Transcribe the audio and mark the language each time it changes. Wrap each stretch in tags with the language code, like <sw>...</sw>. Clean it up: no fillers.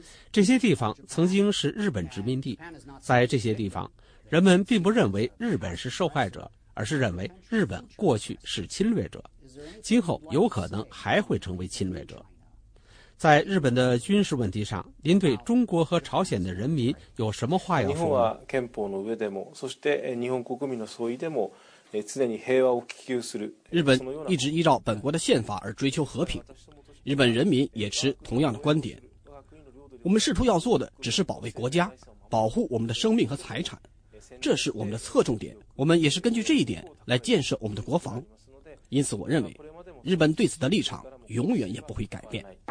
<zh>这些地方曾经是日本殖民地，在这些地方人们并不认为日本是受害者，而是认为日本过去是侵略者，今后有可能还会成为侵略者。在日本的军事问题上，您对中国和朝鲜的人民有什么话要说？</zh> <ja>日本は憲法の上でも、そして日本国民の総意でも、常に平和を希求する。</ja> <zh>日本一直依照本国的宪法而追求和平，日本人民也持同样的观点。我们试图要做的只是保卫国家，保护我们的生命和财产，这是我们的侧重点。我们也是根据这一点来建设我们的国防。因此我认为日本对此的立场永远也不会改变。</zh>